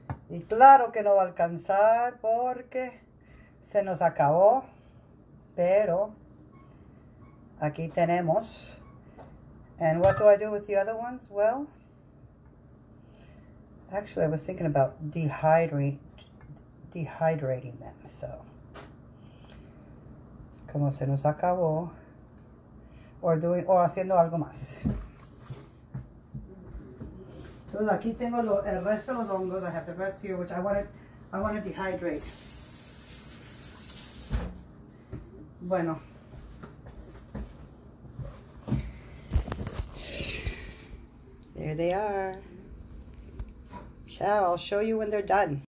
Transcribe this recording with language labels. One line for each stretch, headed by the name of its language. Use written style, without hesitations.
Spanish: Y claro que no va a alcanzar porque se nos acabó, pero aquí tenemos.
English: And what do I do with the other ones? Well, actually, I was thinking about dehydrating them.
Spanish: So, como se nos acabó, or haciendo algo más. Entonces, aquí tengo el resto de los hongos.
English: I have the rest here, which I want to dehydrate.
Spanish: Bueno.
English: There they are. Ciao, I'll show you when they're done.